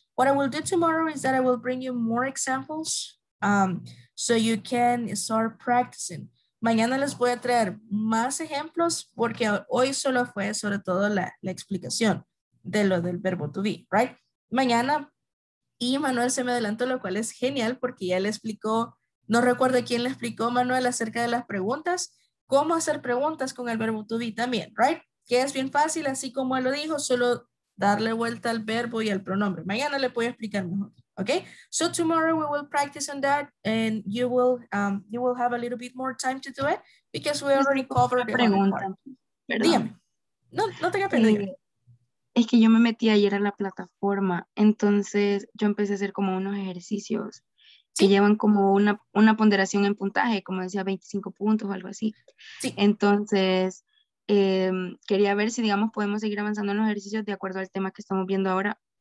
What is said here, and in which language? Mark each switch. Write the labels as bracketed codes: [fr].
[en] What I will do tomorrow is that I will bring you more examples. So you can start practicing. [es] Mañana les voy a traer más ejemplos porque hoy solo fue sobre todo la explicación de lo del verbo to be, right? Mañana, y Manuel se me adelantó, lo cual es genial porque ya le explicó, no recuerdo quién le explicó, Manuel, acerca de las preguntas, cómo hacer preguntas con el verbo to be también, right? Que es bien fácil, así como él lo dijo, solo darle vuelta al verbo y al pronombre. Mañana le voy a explicar mejor. [en] Okay, so tomorrow we will practice on that and you will have a little bit more time to do it because we already covered the [es] pregunta. Dígame. No, no tenga pena. Es que yo me metí ayer a la plataforma, entonces yo empecé a hacer como unos ejercicios que llevan como una ponderación en puntaje, como decía 25 puntos o algo así. Sí. Entonces, quería ver si digamos podemos seguir avanzando en los ejercicios de acuerdo al tema que estamos viendo ahora.